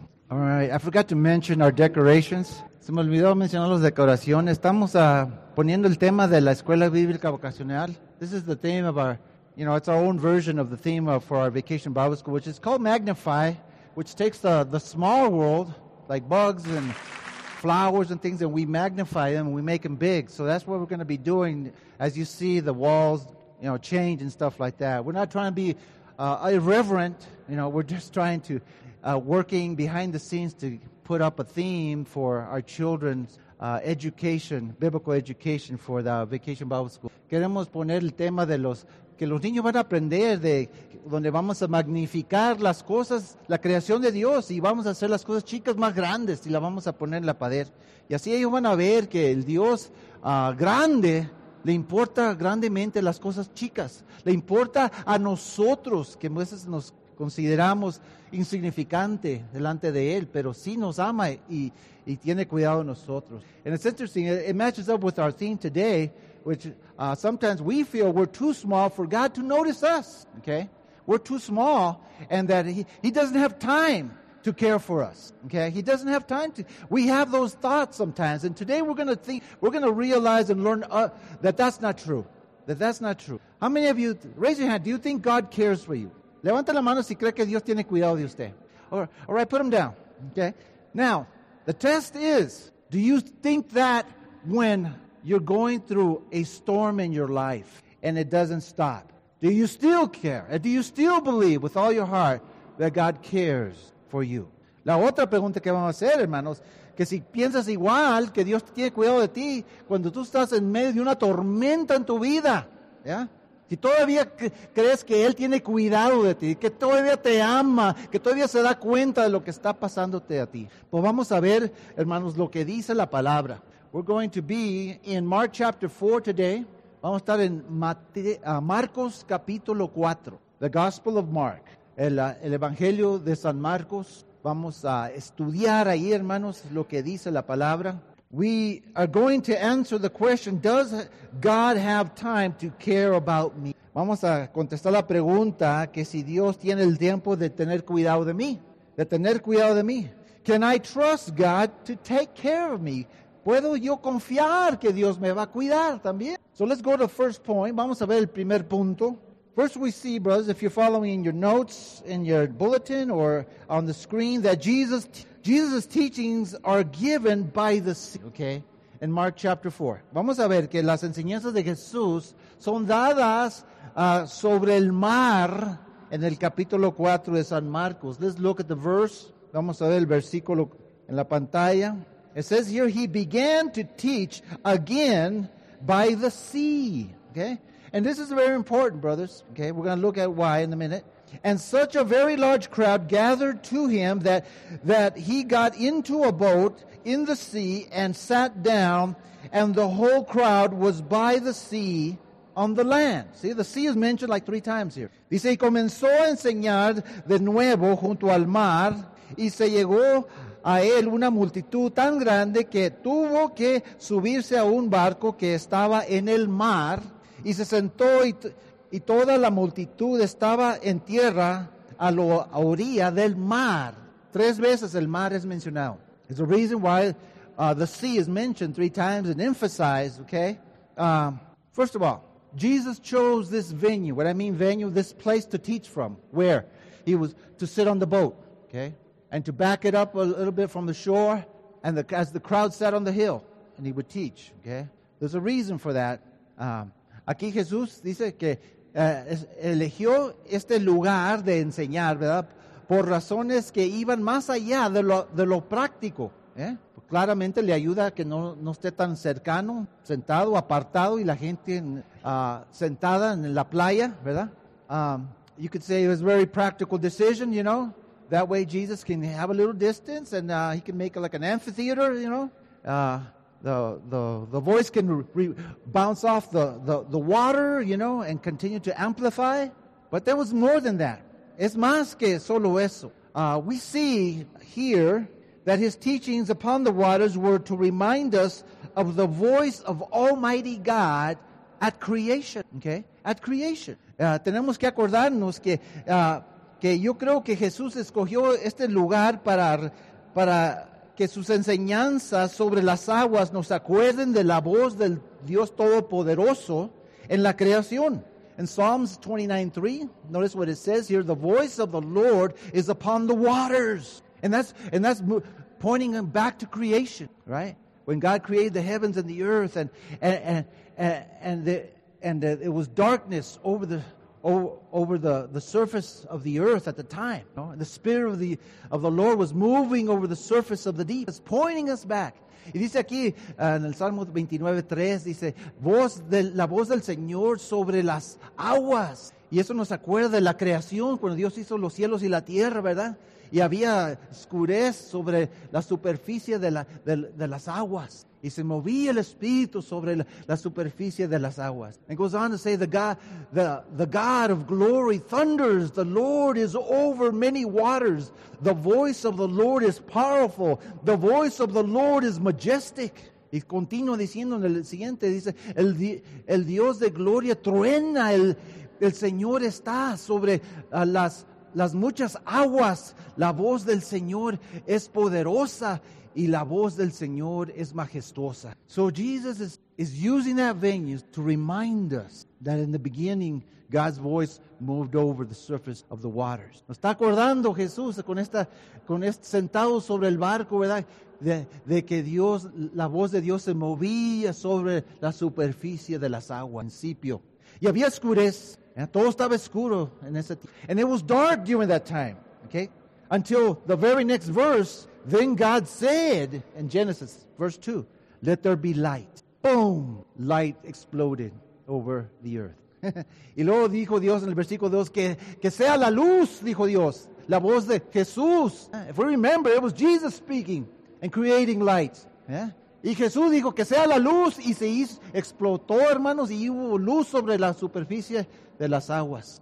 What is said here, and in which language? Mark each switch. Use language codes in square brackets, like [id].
[en] All right, I forgot to mention our decorations. [es] Se me olvidó mencionar las decoraciones. Estamos poniendo el tema de la escuela bíblica vocacional. [en] This is the theme of our, you know, it's our own version of the theme of for our Vacation Bible School, which is called Magnify, which takes the small world, like bugs and flowers and things, and we magnify them and we make them big. So that's what we're going to be doing as you see the walls, you know, change and stuff like that. We're not trying to be irreverent, you know, we're just trying to working behind the scenes to put up a theme for our children's education, biblical education for the Vacation Bible School. Queremos poner el tema de los que los niños van a aprender, de donde vamos a magnificar las cosas, la creación de Dios, y vamos a hacer las cosas chicas más grandes y la vamos a poner en la pared. Y así ellos van a ver que el Dios grande le importa grandemente las cosas chicas, le importa a nosotros, que a veces nos consideramos insignificante delante de él, pero sí nos ama y tiene cuidado de nosotros. And it's interesting, it matches up with our theme today, which sometimes we feel we're too small for God to notice us, okay? We're too small, and that he doesn't have time to care for us, okay? He doesn't have time to. We have those thoughts sometimes, and today we're going to think, we're going to realize and learn that that's not true, that that's not true. How many of you, raise your hand, do you think God cares for you? [es] Levanta la mano si cree que Dios tiene cuidado de usted. [en] All right, put them down, okay? Now, the test is, do you think that when you're going through a storm in your life and it doesn't stop, do you still care? And do you still believe with all your heart that God cares for you? [es] La otra pregunta que vamos a hacer, hermanos, que si piensas igual que Dios tiene cuidado de ti cuando tú estás en medio de una tormenta en tu vida, ¿ya? Si todavía crees que Él tiene cuidado de ti, que todavía te ama, que todavía se da cuenta de lo que está pasándote a ti. Pues vamos a ver, hermanos, lo que dice la palabra. [en] We're going to be in Mark chapter 4 today. [es] Vamos a estar en Marcos capítulo 4. [en] The Gospel of Mark. [es] El Evangelio de San Marcos. Vamos a estudiar ahí, hermanos, lo que dice la palabra. [en] We are going to answer the question, does God have time to care about me? [es] Vamos a contestar la pregunta que si Dios tiene el tiempo de tener cuidado de mí, de tener cuidado de mí. [en] Can I trust God to take care of me? [es] ¿Puedo yo confiar que Dios me va a cuidar también? [en] So let's go to the first point. [es] Vamos a ver el primer punto. [en] First we see, brothers, if you're following in your notes, in your bulletin, or on the screen, that Jesus' teachings are given by the Spirit, okay, in Mark chapter 4. [es] Vamos a ver que las enseñanzas de Jesús son dadas sobre el mar en el capítulo 4 de San Marcos. [en] Let's look at the verse. [es] Vamos a ver el versículo en la pantalla. [en] It says here, he began to teach again by the sea, okay? And this is very important, brothers, okay? We're going to look at why in a minute. And such a very large crowd gathered to him that he got into a boat in the sea and sat down, and the whole crowd was by the sea on the land. See, the sea is mentioned like three times here. [es] Dice, y comenzó a enseñar de nuevo junto al mar, y se llegó a él una multitud tan grande que tuvo que subirse a un barco que estaba en el mar, y se sentó y toda la multitud estaba en tierra a la orilla del mar. Tres veces el mar es mencionado. [en] It's the reason why the sea is mentioned three times and emphasized, okay? First of all, Jesus chose this venue. What I mean venue, this place to teach from. Where? He was to sit on the boat, okay? And to back it up a little bit from the shore and as the crowd sat on the hill and he would teach, okay? There's a reason for that. [es] Aquí Jesús dice que eligió este lugar de enseñar, ¿verdad? Por razones que iban más allá de lo práctico. ¿Eh? Pues claramente le ayuda a que no esté tan cercano, sentado, apartado, y la gente sentada en la playa, ¿verdad? [en] You could say it was a very practical decision, you know. That way Jesus can have a little distance and he can make like an amphitheater, you know. The voice can bounce off the water, you know, and continue to amplify. But there was more than that. [es] Es más que solo eso. [en] We see here that his teachings upon the waters were to remind us of the voice of Almighty God at creation. Okay? At creation. [es] Tenemos que acordarnos que que yo creo que Jesús escogió este lugar para que sus enseñanzas sobre las aguas nos acuerden de la voz del Dios Todopoderoso en la creación. [en] In Psalms 29:3, notice what it says here, the voice of the Lord is upon the waters. And that's pointing him back to creation, right? When God created the heavens and the earth and it was darkness over the surface of the earth at the time. You know? And the Spirit of the Lord was moving over the surface of the deep. It's pointing us back. [es] Y dice aquí, en el Salmo 29:3, dice, la voz del Señor sobre las aguas. Y eso nos acuerda de la creación, cuando Dios hizo los cielos y la tierra, ¿verdad? Y había oscurez sobre la superficie de las aguas. Y se movía el Espíritu sobre la superficie de las aguas. [en] It goes on to say, the God of glory thunders. The Lord is over many waters. The voice of the Lord is powerful. The voice of the Lord is majestic. [es] Y continúa diciendo en el siguiente, dice, el Dios de gloria truena. El Señor está sobre las muchas aguas. La voz del Señor es poderosa. Y la voz del Señor es majestuosa. [en] So Jesus is using that venue to remind us that in the beginning, God's voice moved over the surface of the waters. [es] Nos está acordando Jesús con este sentado sobre el barco, ¿verdad? De que Dios, la voz de Dios se movía sobre la superficie de las aguas. Principio. Y había oscurez. Todo estaba oscuro en ese tiempo. [en] And it was dark during that time, okay? Until the very next verse, then God said, in Genesis, verse 2, let there be light. Boom! Light exploded over the earth. [es] Y luego dijo Dios en el versículo 2, que sea la luz, dijo Dios, la voz de Jesús. [en] If we remember, it was Jesus speaking and creating light. [es] Y Jesús dijo, que sea la luz, y se hizo, explotó, hermanos, y hubo luz sobre la superficie de las aguas.